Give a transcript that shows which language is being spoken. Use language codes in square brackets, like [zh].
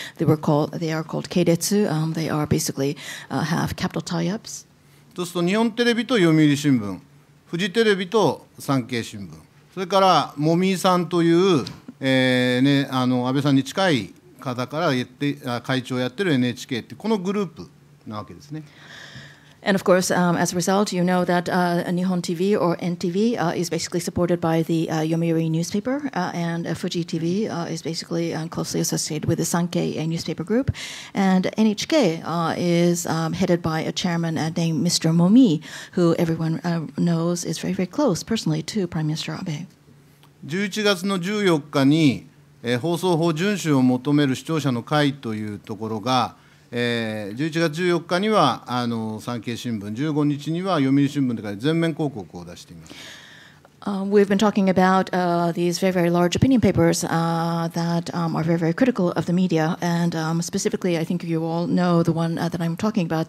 [en] They are called keiretsu. They are basically have capital tie-ups. [ja] そうすると日本テレビと読売新聞、フジテレビと産経新聞、それからモミーさんという、ね、あの安倍さんに近い方からやって会長をやってる NHK ってこのグループなわけですね。 [en] And of course, as a result, you know that Nihon TV or NTV is basically supported by the Yomiuri newspaper, and Fuji TV is basically closely associated with the Sankei newspaper group, and NHK is headed by a chairman named Mr. Momii, who everyone knows is very, very close personally to Prime Minister Abe. [ja] 11月の14日に、放送法遵守を求める視聴者の会というところが11月14日にはあの産経新聞、15日には読売新聞で全面広告を出しています。 [en] We've been talking about these very, very large opinion papers that are very, very critical of the media. And specifically, I think you all know the one that I'm talking about.